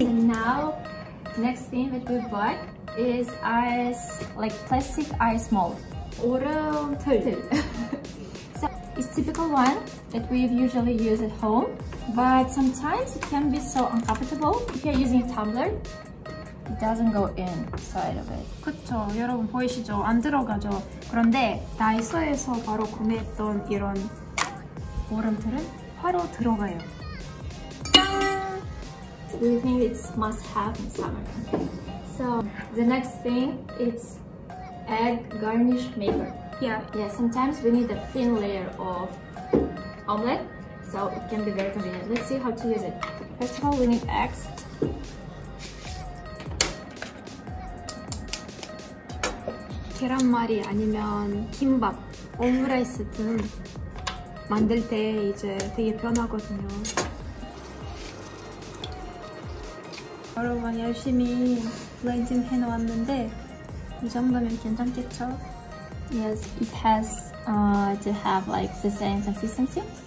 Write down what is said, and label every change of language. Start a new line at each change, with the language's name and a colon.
English: And now, next thing that we bought is ice, like plastic ice mold.
Korean: 얼음 틀.
English: So it's typical one that we've usually used at home, but sometimes it can be so uncomfortable if you're using a tumbler. It doesn't go inside of it.
Korean: 그쵸, 여러분 보이시죠? 안 들어가죠. 그런데 다이소에서 바로 구매했던 이런 얼음 틀은 바로 들어가요.
English: We think it's must have in summer. So the next thing is egg garnish maker. Yeah, sometimes we need a thin layer of omelette, so it can be very convenient. Let's see how to use it. First of all, we need eggs.
Korean: Kimbap 아니면 김밥, 오므라이스 등 만들 때 이제 되게 편하거든요. 여러분 열심히 블렌딩 해놓았는데 이 정도면 괜찮겠죠?
English: Yes, it has to have like the same consistency.